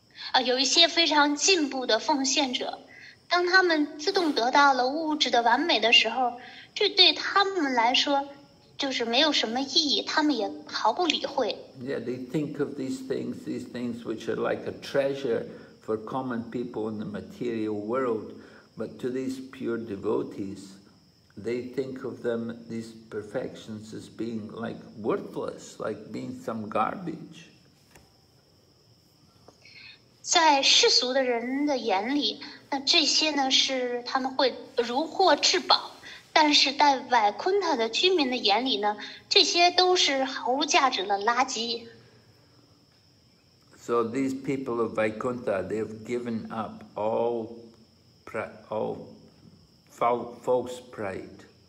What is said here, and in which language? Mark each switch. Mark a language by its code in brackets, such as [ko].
[zh] 啊，有一些非常进步的奉献者。当他们自动得到了物质的完美的时候，这对他们来说就是没有什么意义，他们也毫不理会。 [en] Yeah, they think of these things which are like a treasure for common people in the material world, but to these pure devotees, they think of them, these perfections, as being like worthless, like being some garbage. [zh] 在世俗的人的眼里。那这些呢是他们会如获至宝，但是在维昆特的居民的眼里呢，这些都是毫无价值的垃圾。 [en] So these people of Vaikuntha, they have given up all false pride.